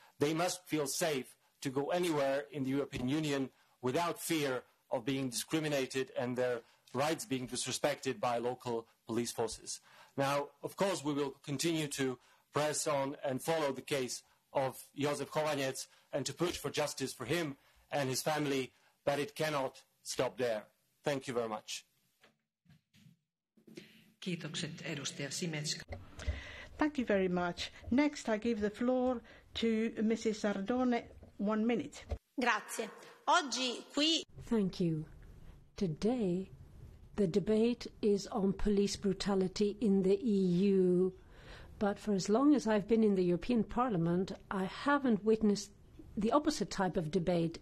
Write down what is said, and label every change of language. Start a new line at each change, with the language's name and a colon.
English: They must feel safe to go anywhere in the European Union without fear of being discriminated and their rights being disrespected by local police forces. Now, of course, we will continue to press on and follow the case of Jozef Chovanec and to push for justice for him and his family, but it cannot stop there. Thank you very much.
Finnish: Kiitokset, edustaja Simečka.
English: Thank you very much. Next, I give the floor to Mrs. Sardone. 1 minute.
Italian: Grazie. Oggi qui.
English: Thank you. Today, the debate is on police brutality in the EU. But for as long as I've been in the European Parliament, I haven't witnessed the opposite type of debate.